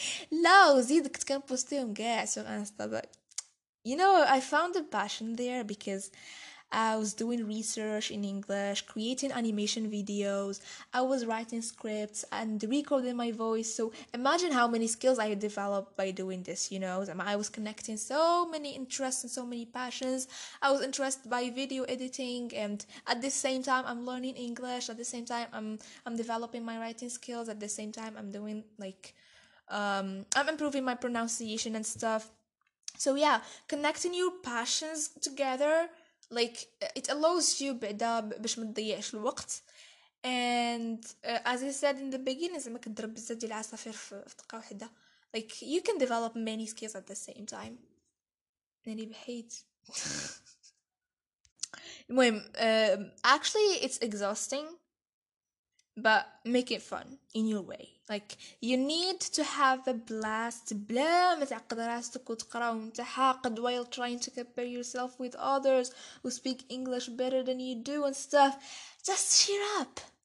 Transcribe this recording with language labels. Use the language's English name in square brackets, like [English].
[Arabic] لا زيد كنت كنبوستيهم كاع سوغ انستا. [English] You know, I found a passion there because I was doing research in English, creating animation videos, I was writing scripts and recording my voice. So imagine how many skills I had developed by doing this, you know. I was connecting so many interests and so many passions. I was interested by video editing, and at the same time I'm learning English, at the same time I'm developing my writing skills, at the same time I'm doing like I'm improving my pronunciation and stuff. So yeah, connecting your passions together, like, it allows you [Arabic] بدا باش ما تضيعش الوقت, [English] And as I said in the beginning, [Arabic] زعما كضرب بزاف ديال العصافير في دقة واحدة. [English] Like you can develop many skills at the same time. [Arabic] يعني بحيت المهم [English] actually it's exhausting but make it fun in your way. Like you need to have a blast [Arabic] بلا ما تعقد راسك وتقرا ومتحاقد [English] while trying to compare yourself with others who speak English better than you do and stuff. Just cheer up.